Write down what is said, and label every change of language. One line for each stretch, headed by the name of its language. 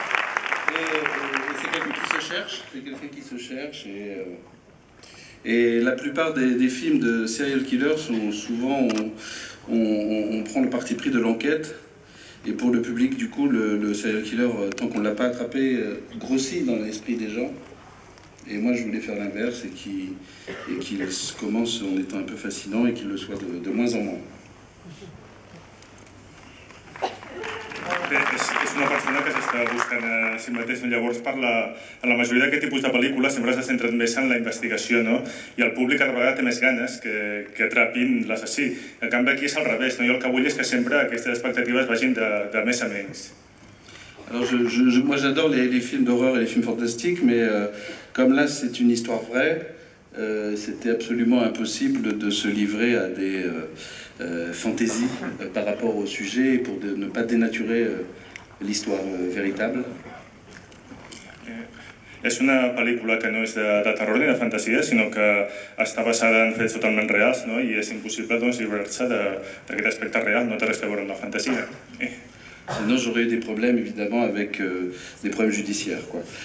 French: C'est quelqu'un qui se cherche, Et la plupart des films de serial killers sont souvent, on prend le parti pris de l'enquête. Et pour le public, du coup, le serial killer, tant qu'on ne l'a pas attrapé, grossit dans l'esprit des gens. Et moi, je voulais faire l'inverse et qu'il commence en étant un peu fascinant et qu'il le soit de moins en moins.
Catalan: És una persona que s'està buscant a si mateix. Llavors, en la majoria d'aquest tipus de pel·lícules sempre s'ha centrat més en la investigació, no? I el públic a la vegada té més ganes que atrapin l'assassí. En canvi, aquí és al revés, no? Jo el que vull és que sempre aquestes expectatives vagin de més a menys.
French: Alors, moi j'adore les films d'horreur et les films fantastiques, mais comme là c'est une histoire vraie, c'était absolument impossible de se livrer à des fantaisies par rapport au sujet pour ne pas dénaturer l'histoire véritable.
Catalan: És una pel·lícula que no és de terror ni de fantasia, sinó que està basada en fets totalment reals, no? I és impossible doncs llibrar-se d'aquest aspecte real, no té res a veure amb la fantasia.
French: Sinon j'aurais eu des problèmes évidemment avec des problèmes judiciaires quoi.